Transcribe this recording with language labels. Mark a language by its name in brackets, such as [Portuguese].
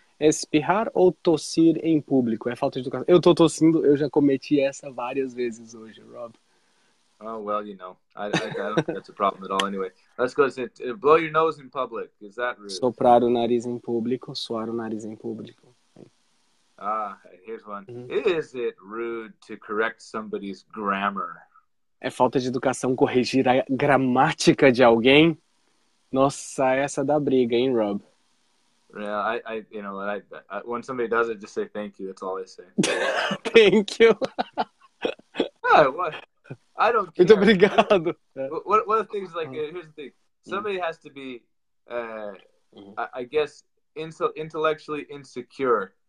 [Portuguese] Espirrar ou tossir em público? É falta de educação. Eu tô tossindo, eu já cometi essa várias vezes hoje, Rob. [English] Oh, well, you know, I don't think that's a problem at all. Anyway, let's go to blow your nose in public. Is that rude? [Portuguese] Soprar o nariz em público, suar o nariz em público. [English] Ah, here's one. Is it rude to correct somebody's grammar? [Portuguese] É falta de educação corrigir a gramática de alguém? Nossa, essa dá briga, hein, Rob? [English] Yeah, I you know what I when somebody does it, just say thank you. That's all I say. Thank you. Ah, what? I don't [Portuguese] Muito [English] care. [Portuguese] obrigado. [English] One of the things like here's the thing. Somebody has to be, I guess, intellectually insecure.